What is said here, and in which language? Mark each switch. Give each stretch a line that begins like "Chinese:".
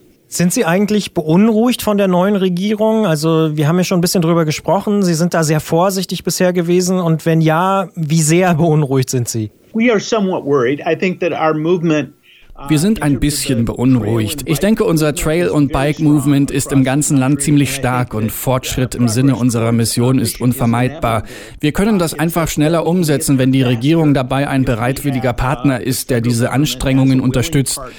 German: Sind Sie eigentlich beunruhigt von der neuen Regierung? Also, wir haben ja schon ein bisschen drüber gesprochen. Sie sind da sehr vorsichtig bisher gewesen. Und wenn ja, wie sehr beunruhigt sind Sie?
English: We are somewhat worried. I think that our movement.
German: Wir sind ein bisschen beunruhigt. Ich denke, unser Trail- und Bike-Movement ist im ganzen Land ziemlich stark und Fortschritt im Sinne unserer Mission ist unvermeidbar. Wir können das einfach schneller umsetzen, wenn die Regierung dabei ein bereitwilliger Partner ist, der diese Anstrengungen unterstützt.